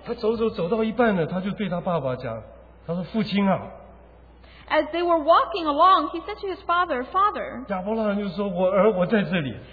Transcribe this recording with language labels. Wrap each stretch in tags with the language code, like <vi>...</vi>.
<zh>他走走走到一半呢, 他就对他爸爸讲, 他说父亲啊,</zh> <en>as they were walking along, he said to his father, father,</en> <zh>亚伯拉罕就说, 我在这里,</zh>